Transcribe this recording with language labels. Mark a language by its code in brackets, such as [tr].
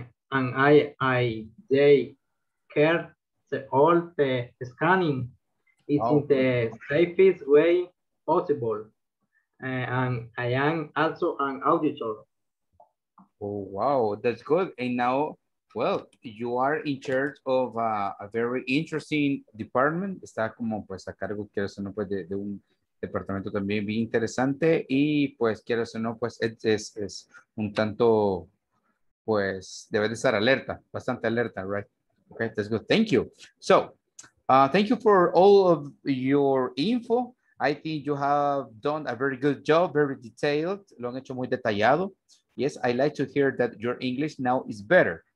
[en] And I they care the all the scanning. It's okay. In the safest way possible. And I am also an auditor. Oh, wow. That's good. And now, well, you are in charge of a very interesting department. [es] Está como pues a cargo, quiero decir, no, pues de un departamento también bien interesante. Y pues quiero decir, no, pues es un tanto, pues debes de estar alerta, bastante alerta, right? [en] Okay, that's good. Thank you. So, thank you for all of your info. I think you have done a very good job, very detailed. [es] Lo han hecho muy detallado. [en] Yes, I like to hear that your English now is better.